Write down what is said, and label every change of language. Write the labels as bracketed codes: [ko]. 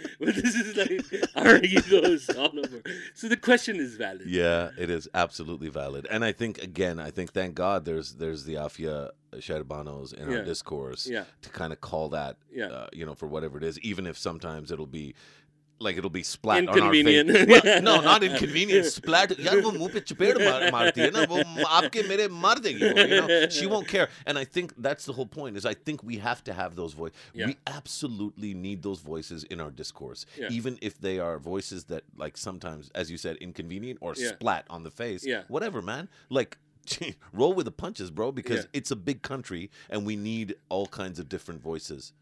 [en] But this is like our egos all over. So the question is valid. Yeah, it is absolutely valid. And I think, again, I think, thank God, there's the Afia Sherbanos in our discourse to kind of call that, you know, for whatever it is, even if sometimes it'll be, like, it'll be splat on our face. Inconvenient. Well, no, not inconvenient. Splat. [ur] یار، وہ منہ پہ چپیٹ مارتی ہے نا، وہ آپکے میرے مار دینگی، [en] you know? She won't care. And I think that's the whole point, is I think we have to have those voices. Yeah. We absolutely need those voices in our discourse, even if they are voices that, like, sometimes, as you said, inconvenient or splat on the face. Yeah. Whatever, man. Like, roll with the punches, bro, because it's a big country and we need all kinds of different voices.